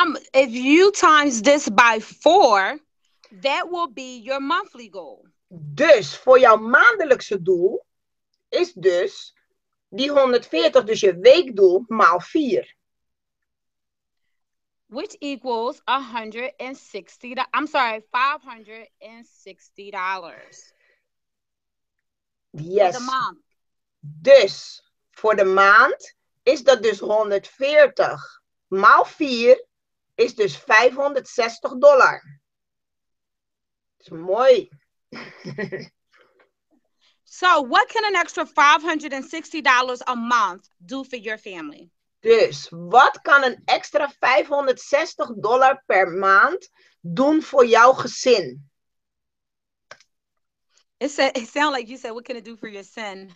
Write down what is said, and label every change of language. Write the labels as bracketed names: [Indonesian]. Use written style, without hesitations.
[English] If you times this by 4, that will be your monthly goal. [Dutch] Dus voor jouw maandelijkse doel is dus die 140, dus je weekdoel, maal 4. [English] Which equals $560. Yes. For the month. [Dutch] Dus voor de maand is dat dus 140 maal 4. Is dus $560. Dat is mooi. [English] So, what can an extra $560 a month do for your family? [Dutch] Dus, wat kan een extra $560 per maand doen voor jouw gezin? [English] It sounds like you said, what can it do for your sin?